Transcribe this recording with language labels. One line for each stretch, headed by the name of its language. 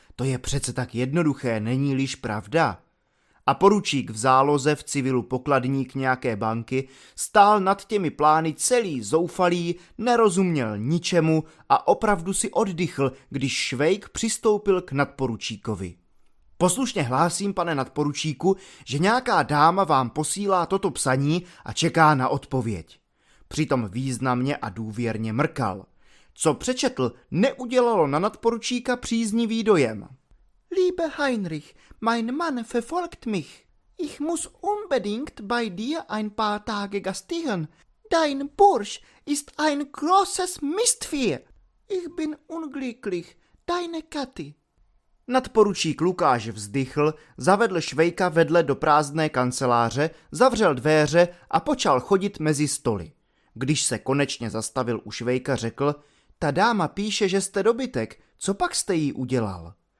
Czech: To je přece tak jednoduché, není-liž pravda. A poručík v záloze v civilu pokladník nějaké banky stál nad těmi plány celý zoufalý, nerozuměl ničemu a opravdu si oddychl, když Švejk přistoupil k nadporučíkovi. Poslušně hlásím, pane nadporučíku, že nějaká dáma vám posílá toto psaní a čeká na odpověď. Přitom významně a důvěrně mrkal. Co přečetl, neudělalo na nadporučíka příznivý dojem.
German: Liebe Heinrich, mein Mann verfolgt mich. Ich muss unbedingt bei dir ein paar Tage gastieren. Dein Bursch ist ein großes Mistvieh. Ich bin unglücklich, deine Katy.
Czech: Nadporučík Lukáš vzdychl, zavedl Švejka vedle do prázdné kanceláře, zavřel dveře a počal chodit mezi stoly. Když se konečně zastavil u Švejka, řekl, ta dáma píše, že jste dobytek, co pak jste jí udělal?